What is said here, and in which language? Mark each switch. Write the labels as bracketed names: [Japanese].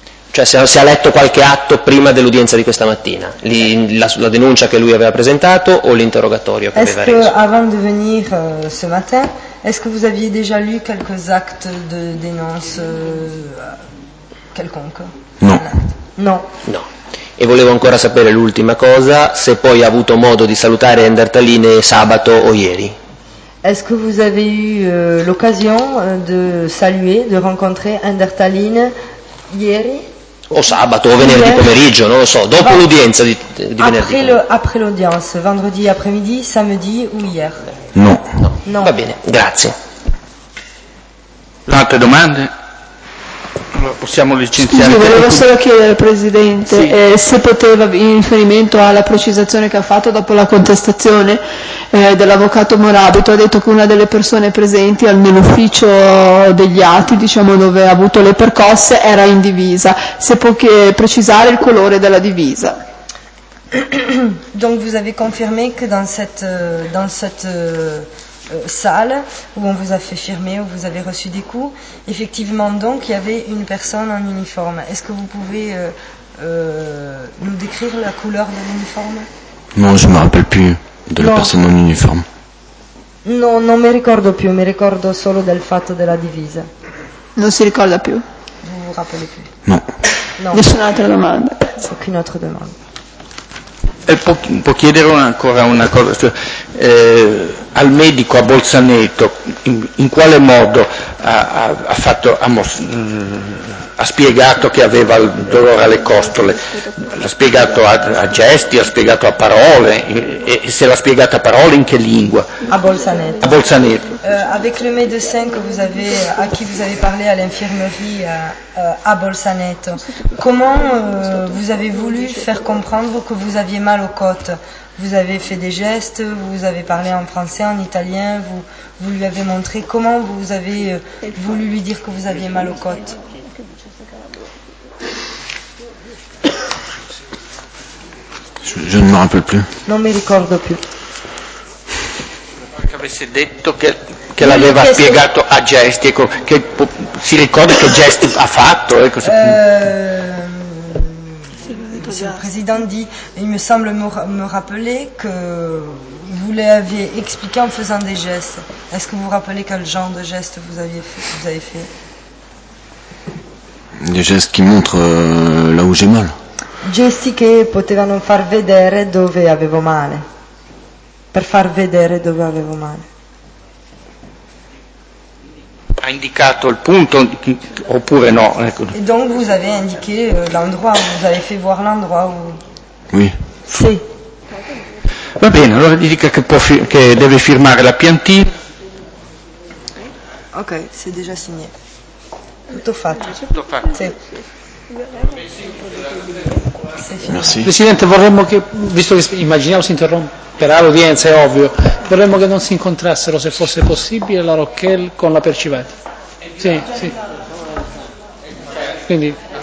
[Italian] Cioè se ha letto qualche atto prima dell'udienza di questa mattina, la denuncia che lui aveva presentato o l'interrogatorio che aveva reso. [French] Avant de venir ce matin, est-ce que vous aviez déjà lu quelques actes de dénonce quelconque? Non. [Italian] No. No. E volevo ancora sapere l'ultima cosa, se poi ha avuto modo di salutare Ender Tallinn sabato o ieri. [French] Est-ce que vous avez eu l'occasion de saluer, de rencontrer Ender Tallinn ieri? [Italian] O sabato o venerdì pomeriggio, non lo so, dopo l'udienza di venerdì. [French] Après l'audience, vendredi après-midi, samedi ou hier? [Italian] No. No. No. Va bene, grazie. Altre domande? Possiamo licenziare. Scusi, volevo solo chiedere al Presidente, sì, se poteva, in riferimento alla precisazione che ha fatto dopo la contestazione dell'avvocato Morabito, ha detto che una delle persone presenti nell'ufficio degli atti, diciamo, dove ha avuto le percosse, era in divisa. Se può precisare il colore della divisa. [French] Donc vous avez confirmé che dans cette salle où on vous a fait firmer, où vous avez reçu des coups, effectivement donc il y avait une personne en uniforme. Est-ce que vous pouvez nous décrire la couleur de l'uniforme? Non, je ne me rappelle plus de la personne en uniforme. [Italian] Non, non me ricordo più, mi ricordo solo del fatto della divisa. Non si ricorda più? [French] Vous vous rappelez plus? Non. [Italian] Non. Nessuna altra domanda? [French] Aucune autre demande. [Italian] Può chiedere ancora una cosa, cioè, al medico a Bolzaneto in quale modo ha spiegato che aveva il dolore alle costole? L'ha spiegato a gesti, l'ha spiegato a parole, e se l'ha spiegato a parole in che lingua? A Bolzaneto. [French] Avec le médecin que vous avez, à qui vous avez parlé à l'infirmerie à Bolzaneto, comment vous avez voulu faire comprendre que vous aviez mal aux côtes? Vous avez fait des gestes, vous avez parlé en français, en italien, vous lui avez montré, comment vous avez voulu lui dire que vous aviez mal aux côtes? Je ne me rappelle plus. [Italian] Non mi ricordo più. Avesse detto che l'aveva spiegato a gesti, ecco, che si ricorda che gesti ha fatto, ecco. [French] Monsieur le Président dit, il me semble me rappeler que vous l'avez expliqué en faisant des gestes. Est-ce que vous vous rappelez quel genre de gestes vous avez fait? Des gestes qui montrent là où j'ai mal. [Italian] Gesti che potevano far vedere dove avevo male. Per far vedere dove avevo male. Ha indicato il punto oppure no? Ecco. [French] Et donc vous avez indiqué l'endroit, vous avez fait voir l'endroit où. Oui. [Italian] Sì. Va bene, allora dica che deve firmare la piantina. [French] Ok, c'est déjà signé. [Italian] Tutto fatto. Tutto fatto. Sì. [French] Merci. [Italian] Presidente, vorremmo che, visto che immaginiamo si interromperà l'udienza, è ovvio, vorremmo che non si incontrassero, se fosse possibile, la Rocchel con la Percivetti. Sì, sì. Quindi.